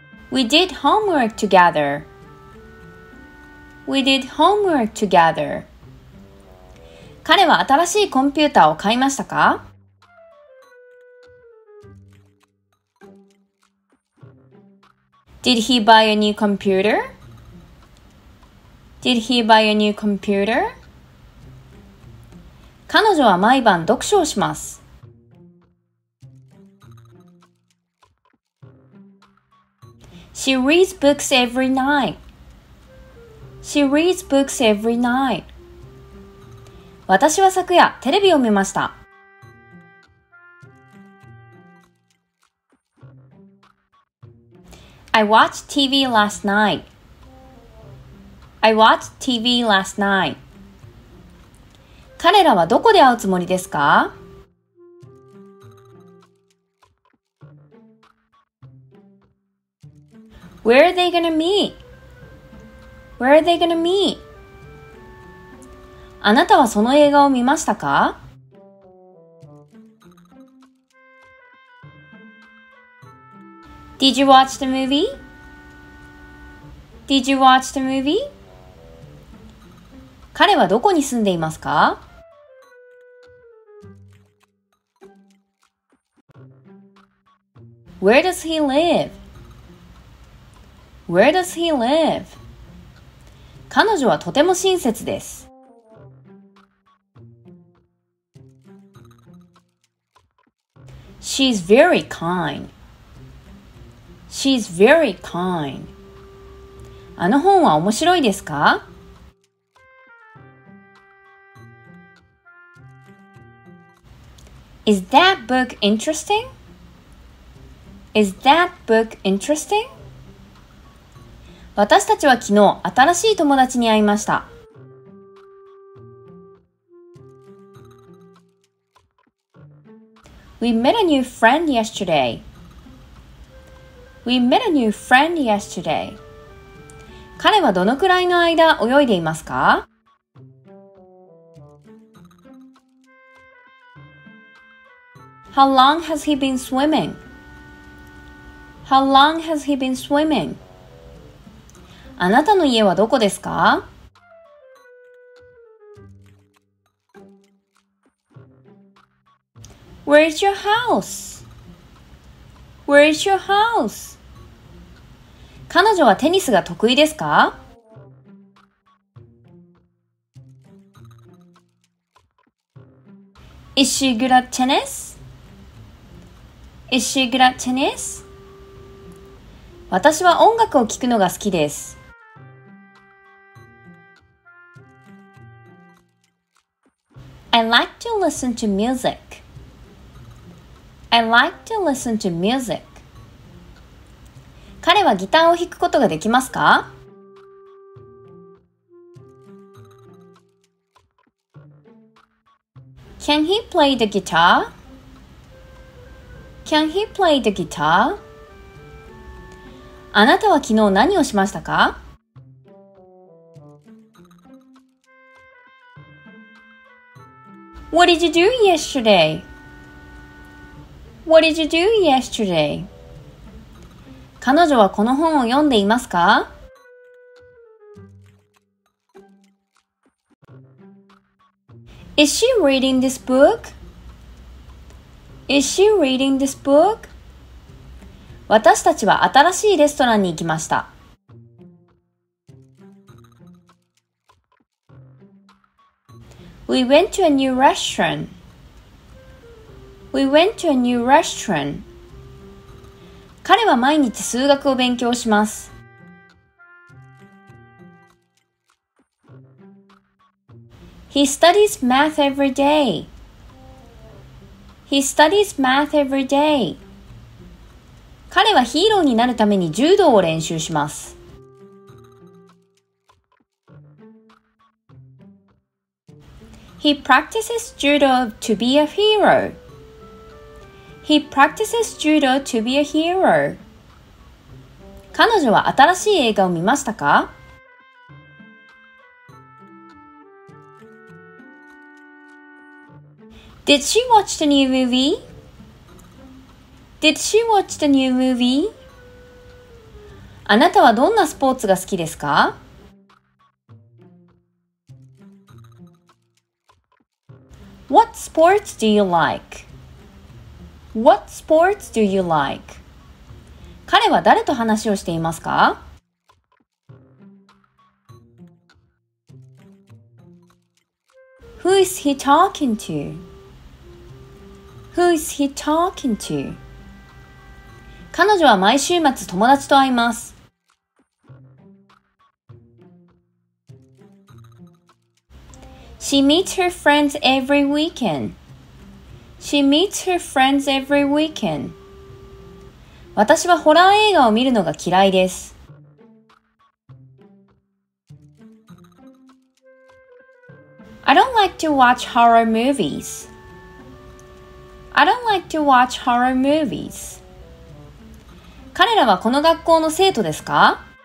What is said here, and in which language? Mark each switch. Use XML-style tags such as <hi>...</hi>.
<en>We did homework together. We did homework together.</en> <ja>彼は新しいコンピューターを買いましたか?</ja> <en>Did he buy a new computer? Did he buy a new computer?</en> <ja>彼女は毎晩読書をします。</ja> <en>She reads books every night. She reads books every night.</en> <ja>私は昨夜テレビを見ました。</ja> <en>I watched TV last night. I watched TV last night.</en> <ja>彼らはどこで会うつもりですか?</ja> <en>Where are they gonna meet? Where are they gonna meet?</en> <ja>あなたはその映画を見ましたか?</ja> <en>Did you watch the movie? Did you watch the movie?</en> <ja>彼はどこに住んでいますか?</ja> <en>Where does he live? Where does he live?</en> <ja>彼女はとても親切です。</ja> <en>She's very kind. She's very kind.</en> <ja>あの本は面白いですか?</ja> <en>Is that book interesting? Is that book interesting?</en> <ja>私たちは昨日新しい友達に会いました。</ja> <en>We met a new friend yesterday. We met a new friend yesterday.</en> <ja>彼はどのくらいの間泳いでいますか？</ja> <en>How long has he been swimming? How long has he been swimming?</en> <ja>あなたの家はどこですか?</ja> <en>Where is your house? Where is your house?</en> <ja>彼女はテニスが得意ですか?</ja> <en>Is she good at tennis? Is she good at tennis?</en> <ja>私は音楽を聴くのが好きです。</ja> <en>I like to listen to music. I like to listen to music.</en> <ja>彼はギターを弾くことができますか?</ja> <en>Can he play the guitar? Can he play the guitar?</en> <ja>あなたは昨日何をしましたか?</ja> <en>What did you do yesterday? What did you do yesterday?</en> <ja>彼女はこの本を読んでいますか?</ja> <en>Is she reading this book? Is she reading this book?</en> <ja>私たちは新しいレストランに行きました。</ja> <en>We went to a new restaurant. We went to a new restaurant.</en> <ja>彼は毎日数学を勉強します。</ja> <en>He studies math every day. He studies math every day.</en> <ja>彼はヒーローになるために柔道を練習します。</ja> <en>He practices judo to be a hero. He practices judo to be a hero.</en> <ja>彼女は新しい映画を見ましたか?</ja> <en>Did she watch the new movie? Did she watch the new movie?</en> <ja>あなたはどんなスポーツが好きですか?</ja> <en>What sports do you like? What sports do you like?</en> <ja>彼は誰と話をしていますか?</ja> <en>Who is he talking to? Who is he talking to?</en> <ja>彼女は毎週末友達と会います。</ja> <en>She meets her friends every weekend. She meets her friends every weekend.</en> <ja>私はホラー映画を見るのが嫌いです。</ja> <en>I don't like to watch horror movies. I don't like to watch horror movies.</en> <ja>彼らはこの学校の生徒ですか?</ja>